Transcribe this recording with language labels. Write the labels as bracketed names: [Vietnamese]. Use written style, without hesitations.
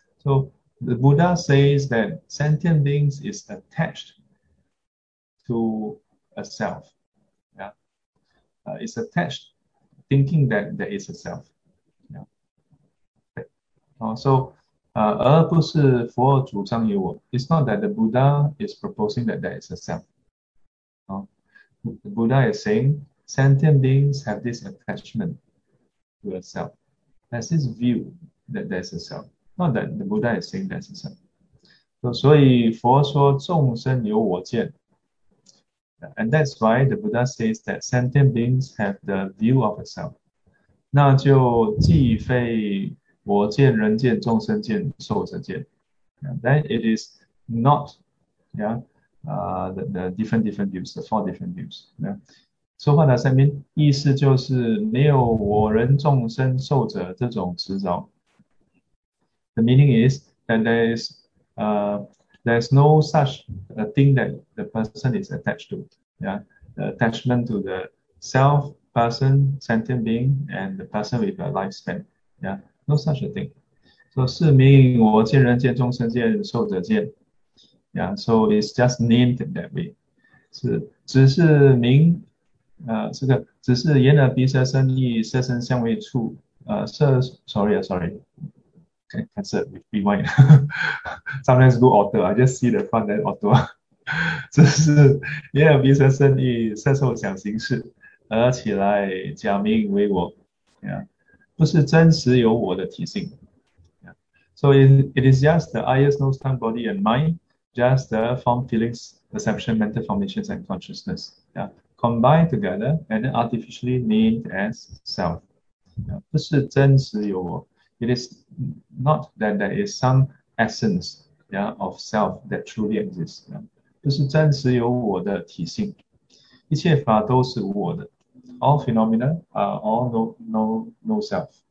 [English] So, the Buddha says that sentient beings is attached to a self. It's attached, thinking that there is a self. [Chinese] So, 而不是佛主张有我. [English] It's not that the Buddha is proposing that there is a self. The Buddha is saying sentient beings have this attachment to a self. There's this view that there's a self. Not that the Buddha is saying there's a self. [Chinese] So,所以佛说众生有我见. [English] And that's why the Buddha says that sentient beings have the view of a self. [Chinese] 那就既非我见人见众生见寿者见。 [English] Then it is not, yeah, the different views, the four different views. Yeah. So what does that mean? [Chinese] 意思就是没有我人众生寿者这种执着。 [English] The meaning is that there's no such a thing that the person is attached to. Yeah, the attachment to the self, person, sentient being, and the person with a lifespan. Yeah, no such a thing. [Chinese] So 是名我见人见众生见寿者见。 [English] Yeah, so it's just named that way. [Chinese] 是只是名，这个只是眼耳鼻舌身意色声香味触，色，sorry。 [English] Okay, that's a rewind. Sometimes go auto. I just see the front end auto. [Chinese] 这是眼耳鼻舌身意色受想行识，而起来假名为我，yeah, 不是真实有我的体性。 [English] So it is just the eyes, nose, tongue, body, and mind, just the form, feelings, perception, mental formations, and consciousness, yeah, combined together and then artificially named as self. [Chinese] Yeah, 不是真实有我。 [English] It is not that there is some essence, yeah, of self that truly exists. Yeah. [Chinese] 不是真实有我的体性，一切法都是无我的。 [English] All phenomena are all no self.